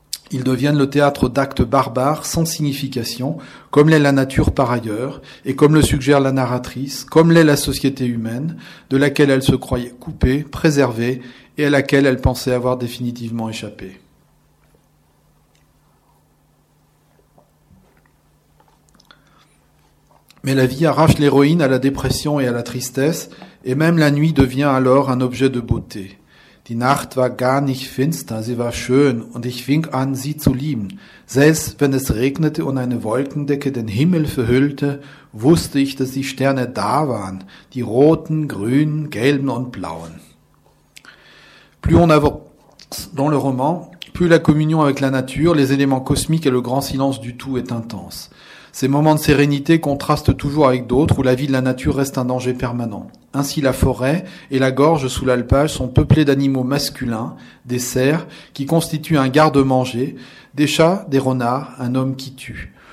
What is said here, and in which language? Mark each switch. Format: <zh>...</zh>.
<fr>Ils deviennent le théâtre d'actes barbares sans signification, comme l'est la nature par ailleurs, et comme le suggère la narratrice, comme l'est la société humaine, de laquelle elle se croyait coupée, préservée, et à laquelle elle pensait avoir définitivement échappé. Mais la vie arrache l'héroïne à la dépression et à la tristesse, et même la nuit devient alors un objet de beauté.</fr> <de>Die Nacht war gar nicht finster, sie war schön, und ich fing an, sie zu lieben. Selbst wenn es regnete und eine Wolkendecke den Himmel verhüllte, wusste ich, dass die Sterne da waren, die roten, grünen, gelben und blauen.</de> <fr>Plus on avance dans le roman, plus la communion avec la nature, les éléments cosmiques et le grand silence du tout est intense. Ces moments de sérénité contrastent toujours avec d'autres où la vie de la nature reste un danger permanent. Ainsi, la forêt et la gorge sous l'alpage sont peuplées d'animaux masculins, des cerfs, qui constituent un garde-manger, des chats, des renards, un homme qui tue.</fr>